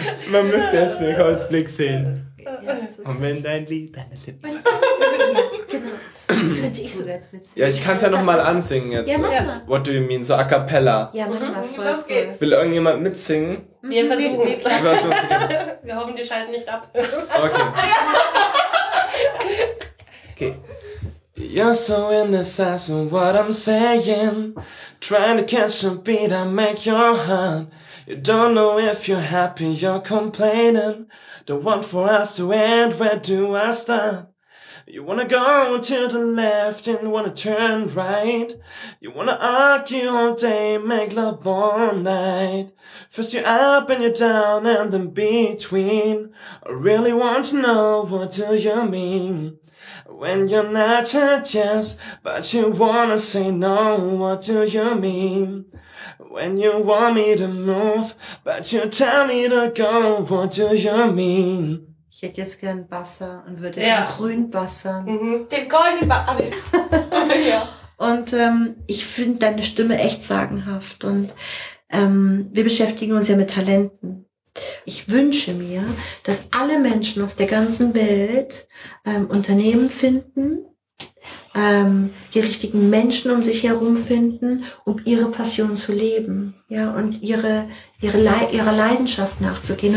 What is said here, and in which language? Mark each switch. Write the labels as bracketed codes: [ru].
[de] Man müsste jetzt den Holzblick sehen. Ja, und wenn dein Lied, deine Lippen. Genau. Das könnte ich sogar jetzt mitsingen. Ja, ich kann es ja nochmal ansingen jetzt. Ja, mach mal. [en] What do you mean? So a cappella. [de] Ja, mach mal. Voll, los geht's. Will irgendjemand mitsingen? Wir versuchen es. Wir versuchen es. Wir hoffen, die schalten nicht ab. Okay. Okay. [en] You're so indecisive, what I'm saying. Trying to catch a beat, I make your heart. You don't know if you're happy, you're complaining. Don't want for us to end, where do I start? You wanna go to the left and wanna turn right. You wanna argue all day, make love all night. First you're up and you're down and in between. I really want to know, what do you mean? When you're not a yes, but you wanna say no, what do you mean? When you want me to move, but you tell me to go, what do you mean? [de] Ich hätte jetzt gern Basser und würde den grünen Basser. Den goldenen Basser. Und ich finde deine Stimme echt sagenhaft. Und wir beschäftigen uns ja mit Talenten. Ich wünsche mir, dass alle Menschen auf der ganzen Welt Unternehmen finden, die richtigen Menschen um sich herum finden, um ihre Passion zu leben, ja, und ihre Leidenschaft nachzugehen.